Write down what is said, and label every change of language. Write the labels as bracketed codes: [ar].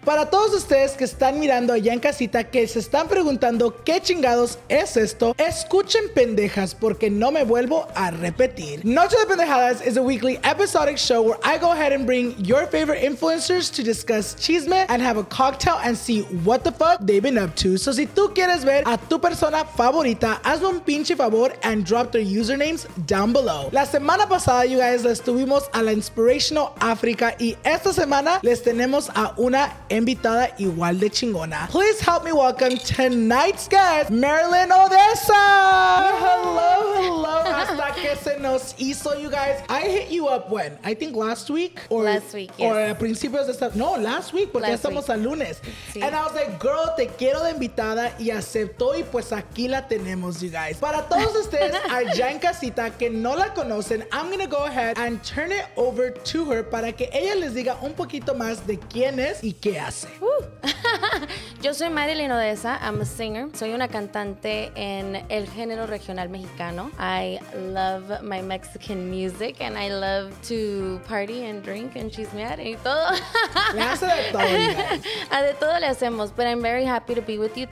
[es] Para todos ustedes que están mirando allá en casita, que se están preguntando qué chingados es esto, escuchen pendejas porque no me vuelvo a repetir. [en] Noche de Pendejadas is a weekly episodic show where I go ahead and bring your favorite influencers to discuss chisme and have a cocktail and see what the fuck they've been up to. [es] So si tú quieres ver a tu persona favorita, hazme un pinche favor [en] and drop their usernames down below. [es] La semana pasada, [en] you guys, [es] les tuvimos a la Inspirational Africa y esta semana les tenemos a una invitada igual de chingona. [en] Please help me welcome tonight's guest, Marilyn Odessa! Hello, hello, [es] hasta que se nos hizo, [en] you guys. I hit you up when? I think last week? Last week, yes. [es] Or a principios de esta... No, [en] last week, [es] porque last ya estamos week. A lunes. Sí. [en] And I was like, girl, [es] te quiero de invitada y aceptó y pues aquí la tenemos, [en] you guys. [es] Para todos ustedes allá en casita que no la conocen, [en] I'm gonna go ahead and turn it over to her [es] para que ella les diga un poquito más de quién es y qué hace. Yo soy Marilyn Odessa. [en] I'm a singer. [es] Soy una cantante en el género regional mexicano. [en] I love my Mexican music and I love to party and drink and chismear [es] y todo. Le hace de todo, a de todo le hacemos, [en] but I'm very happy to be with you.